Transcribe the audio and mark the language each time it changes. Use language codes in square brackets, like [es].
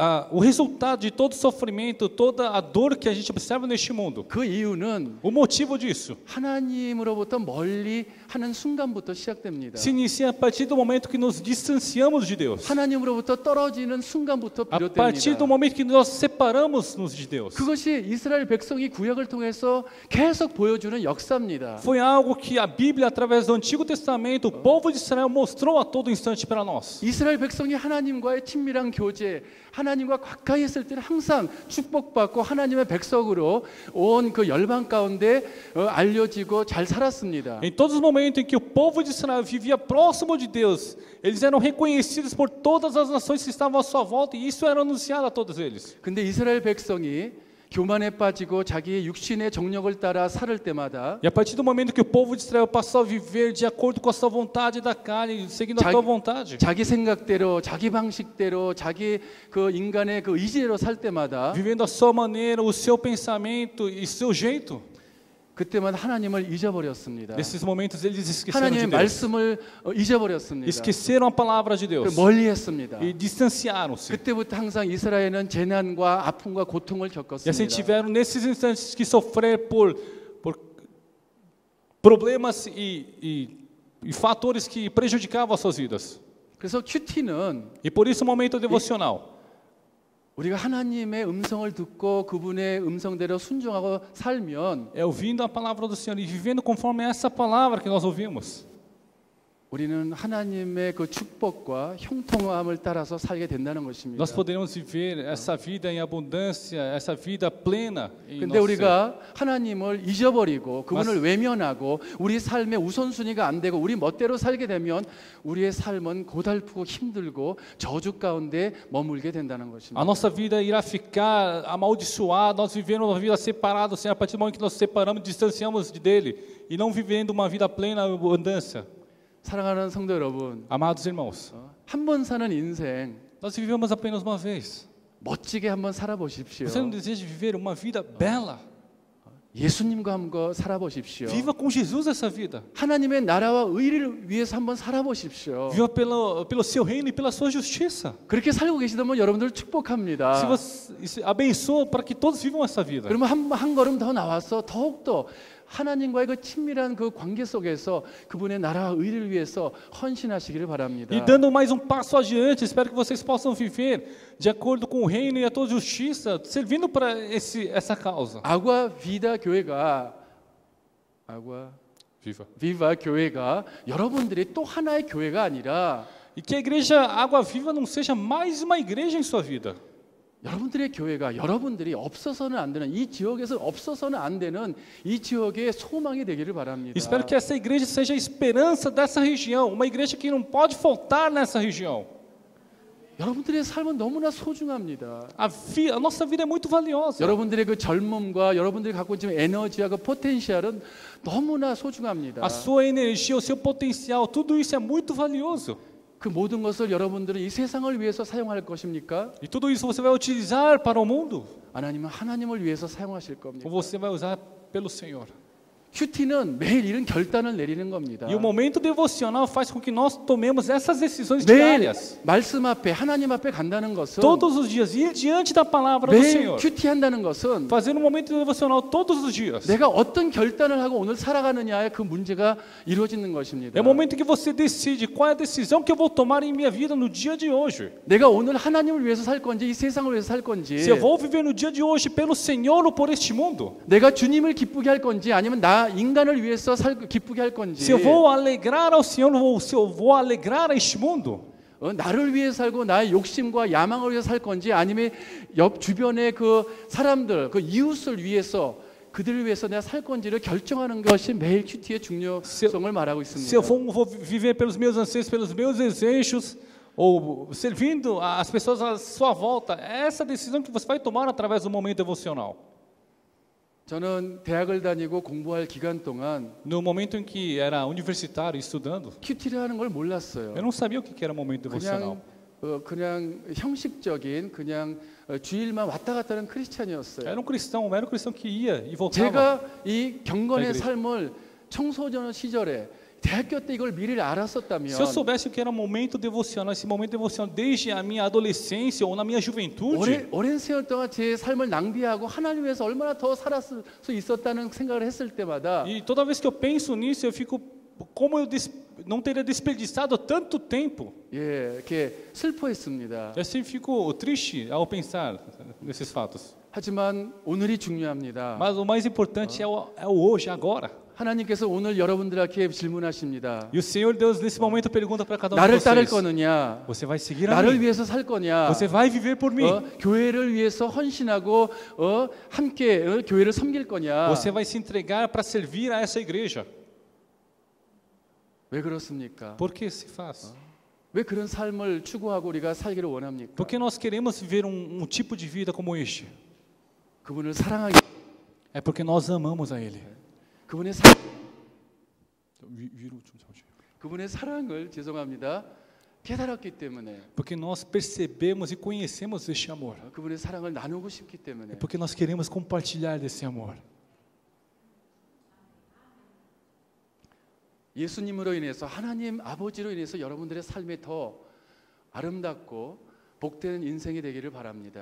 [pt] o resultado de todo sofrimento, toda a dor que a gente observa neste mundo. [ko] 그 이유는 [pt] o motivo disso. [ko] 하나님으로부터 멀리 하는 순간부터 시작됩니다. [pt] Se inicia a partir do momento que nos distanciamos de Deus. [ko] 하나님으로부터 떨어지는 순간부터 비롯됩니다. [pt] A partir do momento que nós separamos-nos de Deus. [ko] 그것이 이스라엘 백성이 구약을 통해서 계속 보여주는 역사입니다. [pt] Foi algo que a Bíblia através do Antigo Testamento, o povo de Israel mostrou a todo instante para nós. [ko] 이스라엘 백성이 하나님과의 친밀한 교제 하나님과 가까이 있을 때는 항상 축복받고 하나님의 백성으로 온 그 열방 가운데 알려지고 잘 살았습니다. [pt] Em todos os momentos em que o povo de Israel vivia próximo de Deus, eles eram reconhecidos por todas as nações que estavam à sua volta e isso era anunciado a todos eles. [ko] 근데 이스라엘 백성이 교만에 빠지고 자기의 육신의 정욕을 따라 살을 때마다 [pt] E a partir do momento que o povo de Israel passou a viver de acordo com a sua vontade da carne, seguindo a sua vontade. [ko] 자기 생각대로, 자기 방식대로, 자기 그 인간의 그 의지로 살 때마다 [pt] Vivendo a sua maneira, o seu pensamento e seu jeito. [ko] 그때마다 하나님을 잊어버렸습니다. [pt] Nesses momentos eles esqueceram de Deus. [ko] 하나님의 말씀을 잊어버렸습니다. [pt] Esqueceram a palavra de Deus. [ko] 멀리했습니다. [pt] E distanciaram-se. [ko] 그때부터 항상 이스라엘은 재난과 아픔과 고통을 겪었습니다. [pt] E assim tiveram nesses instantes que sofrer por problemas e fatores que prejudicavam as suas vidas. [ko] 그래서 큐티는 [pt] E por isso o momento devocional. [ko] 우리가 하나님의 음성을 듣고 그분의 음성대로 순종하고 살면 [pt] É ouvindo a palavra do Senhor e vivendo conforme essa palavra que nós ouvimos. [ko] 우리는 하나님의 그 축복과 형통함을 따라서 살게 된다는 것입니다. [pt] Nós podemos viver essa vida em abundância, essa vida plena. [ko] 근데 우리가 하나님을 잊어버리고 그분을 외면하고 우리 삶의 우선순위가 안 되고 우리 멋대로 살게 되면 우리의 삶은 고달프고 힘들고 저주 가운데 머물게 된다는 것입니다. [pt] A nossa vida irá ficar amaldiçoada. Nós vivemos uma vida separada, assim, a partir do momento que nós separamos, distanciamos dele e não vivendo uma vida plena em abundância. [ko] 사랑하는 성도 여러분, [pt] Amados irmãos, [ko] 한번 사는 인생, [pt] nós vivemos apenas uma vez. [ko] 멋지게 한번 살아보십시오. [pt] Você não deseja viver uma vida bela? [ko] 예수님과 한번 살아보십시오. [pt] Viva com Jesus essa vida. [ko] 하나님의 나라와 의를 위해서 한번 살아보십시오. [pt] Viva pelo seu reino e pela sua justiça. [ko] 그렇게 살고 계시다면 여러분들 축복합니다. [pt] Se você abençoa para que todos vivam essa vida. [ko] 그러면 한 걸음 더 나와서 더욱더 하나님과의 그 친밀한 그 관계 속에서 그분의 나라와 의를 위해서 헌신하시기를 바랍니다. [pt] E dando mais passo adiante, espero que vocês possam viver de acordo com o reino e a toda justiça, servindo para essa causa. [ko] Água Vida 교회가 Água [pt] Viva. [ko] Viva 교회가 여러분들이 또 하나의 교회가 아니라 [pt] e que a igreja Água Viva não seja mais uma igreja em sua vida. [ko] 여러분들의 교회가 여러분들이 없어서는 안 되는 이 지역에서 없어서는 안 되는 이 지역의 소망이 되기를 바랍니다. [pt] Espero que essa igreja seja a esperança dessa região, uma igreja que não pode faltar nessa região. [ko] 여러분들의 삶은 너무나 소중합니다. [pt] A nossa vida é muito valiosa. [ko] 여러분들의 그 젊음과 여러분들이 갖고 있는 에너지와 그 포텐셜은 너무나 소중합니다. [pt] A sua energia, o seu potencial, tudo isso é muito valioso. [ko] 그 모든 것을 여러분들은 이 세상을 위해서 사용할 것입니까? [pt] E tudo isso você vai utilizar para o mundo? [ko] 하나님은 하나님을 위해서 사용하실 겁니다. [pt] Ou você vai usar pelo Senhor? [ko] 큐티는 매일 이런 결단을 내리는 겁니다. [pt] E o momento devocional faz com que nós tomemos essas decisões diárias. [ko] 매일 말씀 앞에 하나님 앞에 간다는 것은 [pt] Todos os dias ir diante da palavra do Senhor. [ko] 큐티한다는 것은 [pt] Fazer um momento devocional todos os dias. [ko] 내가 어떤 결단을 하고 오늘 살아가느냐에 그 문제가 이루어지는 것입니다. [pt] É o momento que você decide qual é a decisão que eu vou tomar em minha vida no dia de hoje. [ko] 내가 오늘 하나님을 위해서 살 건지 이 세상을 위해서 살 건지 [pt] Se eu vou viver no dia de hoje pelo Senhor ou por este mundo. [ko] 내가 주님을 기쁘게 할 건지 아니면 나 인간을 위해서 살 기쁘게 할 건지. [pt] Se eu vou alegrar ao Senhor ou se eu vou alegrar este mundo? [ko] 나를 위해 살고 나의 욕심과 야망을 위해 살 건지 아니면 옆 주변의 그 사람들 그 이웃을 위해서 그들을 위해서 내가 살 건지를 결정하는 것이 매일 큐티의 중요성을 말하고 있습니다. [pt] Se eu vou viver pelos meus anseios, pelos meus desejos ou servindo as pessoas à sua volta, essa decisão que você vai tomar através do momento devocional. [ko] 저는 대학을 다니고 공부할 기간 동안 [pt] No momento em que era universitário estudando [ko] 큐티를 하는 걸 몰랐어요. [pt] Eu não sabia o que era momento devocional. [ko] 그냥 형식적인 그냥 주일만 왔다 갔다 하는 크리스천이었어요. [pt] Era um cristão, um mero cristão que ia e voltava. [ko] 제가 이 경건의 삶을 청소년 시절에 대학교 때 이걸 미리 알았었다면 [pt] Se eu soubesse o que era momento devocional, esse momento devocional desde a minha adolescência ou na minha juventude [ko] 오랜 세월 동안 제 삶을 낭비하고 하나님 위해서 얼마나 더 살았을 수 있었다는 생각을 했을 때마다 [pt] E toda vez que eu penso nisso, eu fico como eu não teria desperdiçado tanto tempo [ko] 예, 이렇게 슬퍼했습니다 [pt] Eu sempre fico triste ao pensar nesses fatos [ko] 하지만 오늘이 중요합니다 [pt] Mas o mais importante é o hoje, agora [ko] 하나님께서 오늘 여러분들에게 질문하십니다. [pt] E o Senhor Deus nesse momento pergunta para cada um de vocês. [ko] 나를 따를 거느냐? [pt] Você vai seguir a mim? [ko] 나를 위해서 살 거냐? [pt] Você vai viver por mim? [ko] 교회를 위해서 헌신하고 함께 교회를 섬길 거냐? [pt] Você vai se entregar para servir a essa igreja? [ko] 왜 그렇습니까? [pt] Por que se faz? [ko] 왜 그런 삶을 추구하고 우리가 살기를 원합니까? [pt] Por que nós queremos viver um tipo de vida como este? [ko] 그분을 사랑하기 [pt] É porque nós amamos a ele. [ko] 그분의 위로 좀 잡으세요. 그분의 사랑을 죄송합니다. 깨달았기 때문에. [pt] Porque nós percebemos e conhecemos este amor. [ko] 그분의 사랑을 나누고 싶기 때문에. [pt] Porque nós queremos compartilhar desse amor. [ko] 예수님으로 인해서 하나님 아버지로 인해서 여러분들의 삶이 더 아름답고 복된 인생이 되기를 바랍니다.